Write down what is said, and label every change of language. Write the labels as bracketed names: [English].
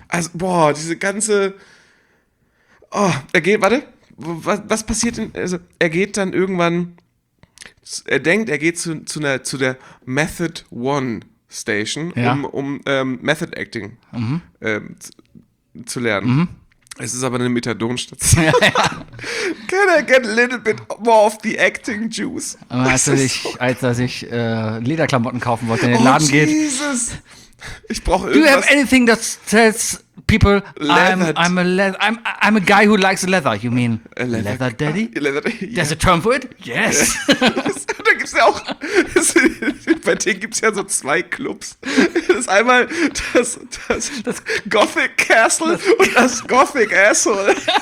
[German] Also, boah, diese ganze, oh, er geht, warte, was passiert denn, also, er geht dann irgendwann, er denkt, er geht zu der Method One Station, ja. um Method Acting zu lernen. Mhm. Es ist aber eine Methadonstation. Ja. [English] Can I get a little bit more of the acting juice? [German] Als er sich Lederklamotten kaufen wollte, in den Laden Jesus. Geht. Jesus! Ich brauche irgendwas. [English] Do you have anything that tells people I'm a guy who likes leather? You mean leather daddy? Leather, yeah. There's a term for it? Yes! [German] Da gibt's ja auch, bei denen gibt's ja so zwei Clubs. Das ist einmal das Gothic Castle und das Gothic Asshole.